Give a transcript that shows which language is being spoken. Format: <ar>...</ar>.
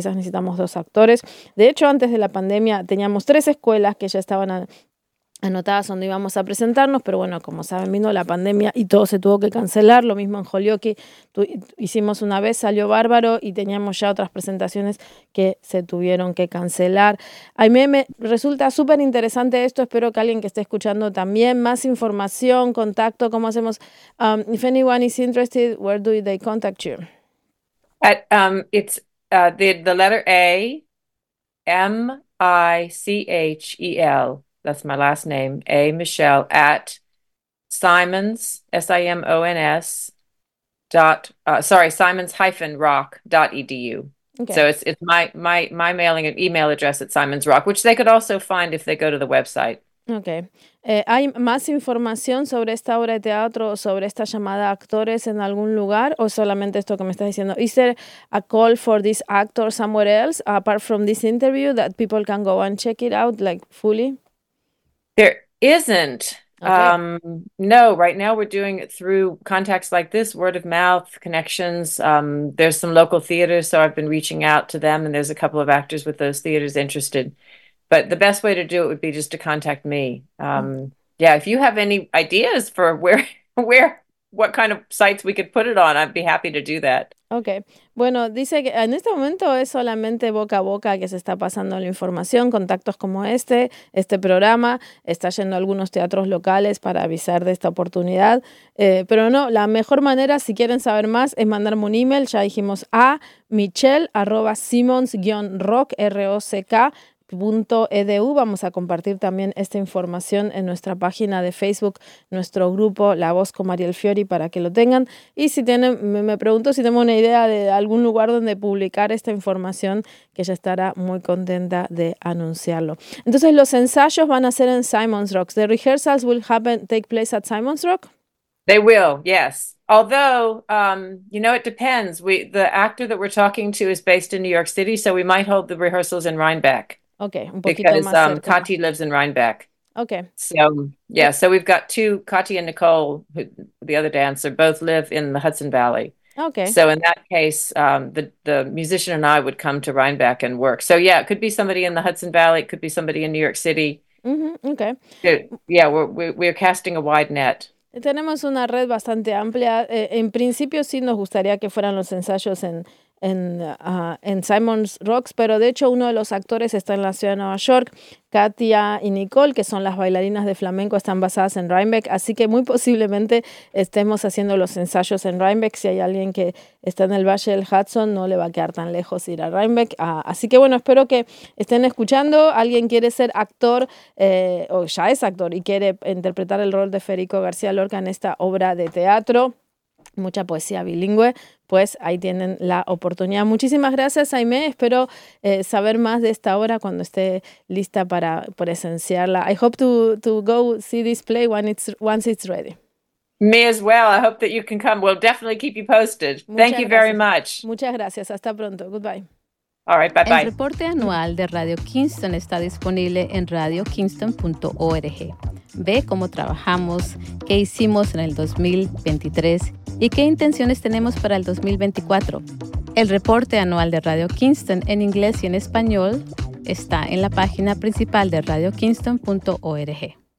<es>Quizás necesitamos 2 actores. De hecho, antes de la pandemia teníamos 3 escuelas que ya estaban anotadas donde íbamos a presentarnos, pero bueno, como saben, vino la pandemia y todo se tuvo que cancelar. Lo mismo en Holyoke, hicimos una vez, salió bárbaro, y teníamos ya otras presentaciones que se tuvieron que cancelar. A mí me resulta súper interesante esto, espero que alguien que esté escuchando también. Más información, contacto, ¿cómo hacemos?</es> <en>If anyone is interested, where do they contact you? It's the letter A, MICHEL, that's my last name, A Michelle, at Simons, SIMONS, Simons-rock.edu. Okay. So it's my mailing and email address at Simons Rock, which they could also find if they go to the website. Ok.</en> <es>¿Hay más información sobre esta obra de teatro o sobre esta llamada a actores en algún lugar o solamente esto que me estás diciendo?</es> <en>Is there a call for this actor somewhere else apart from this interview that people can go and check it out like fully? There isn't. Okay. No, right now we're doing it through contacts like this, word of mouth, connections. There's some local theaters, so I've been reaching out to them, and there's a couple of actors with those theaters interested. But the best way to do it would be just to contact me. Yeah, if you have any ideas for where, what kind of sites we could put it on, I'd be happy to do that. Okay.</en> <es>Bueno, dice que en este momento es solamente boca a boca que se está pasando la información, contactos como este, este programa, está yendo a algunos teatros locales para avisar de esta oportunidad. Pero no, la mejor manera, si quieren saber más, es mandarme un email, ya dijimos, a michelle@simmons-rock.edu. Vamos a compartir también esta información en nuestra página de Facebook, nuestro grupo La Voz con Mariel Fiori, para que lo tengan. Y si tienen, me pregunto si tengo una idea de algún lugar donde publicar esta información, que ella estará muy contenta de anunciarlo. Entonces, los ensayos van a ser en Simon's Rock.</es> <en>The rehearsals will happen, take place at Simon's Rock. They will, yes. Although, you know, it depends. The actor that we're talking to is based in New York City, so we might hold the rehearsals in Rhinebeck. Okay,</en> <es>un poquito más cerca.</es> <en>Because Kati lives in Rhinebeck. Okay. So, yeah, so we've got two, Kati and Nicole, who, the other dancer, both live in the Hudson Valley. Okay. So in that case, the musician and I would come to Rhinebeck and work. So, yeah, it could be somebody in the Hudson Valley. It could be somebody in New York City. Mm-hmm. Okay. Yeah, we're casting a wide net. Tenemos una red bastante amplia. En principio sí nos gustaría que fueran los ensayos en Simon's Rocks, pero de hecho uno de los actores está en la ciudad de Nueva York. Katia y Nicole, que son las bailarinas de flamenco, están basadas en Rhinebeck, así que muy posiblemente estemos haciendo los ensayos en Rhinebeck. Si hay alguien que está en el Valle del Hudson, no le va a quedar tan lejos ir a Rhinebeck. Así que bueno, espero que estén escuchando. Alguien quiere ser actor, o ya es actor, y quiere interpretar el rol de Federico García Lorca en esta obra de teatro, mucha poesía bilingüe, pues ahí tienen la oportunidad. Muchísimas gracias, Jaime. Espero saber más de esta obra cuando esté lista para presenciarla. I hope to go see this play once it's ready. Me as well. I hope that you can come. We'll definitely keep you posted.</en> <es>Muchas</es> <en>Thank</en> <es>gracias.</es> <en>You very much.</en> <es>Muchas gracias. Hasta pronto.</es> <en>Goodbye. All right, bye-bye.</en> <es>El reporte anual de Radio Kingston está disponible en radiokingston.org. Ve cómo trabajamos, qué hicimos en el 2023 y qué intenciones tenemos para el 2024. El reporte anual de Radio Kingston en inglés y en español está en la página principal de radiokingston.org.</es>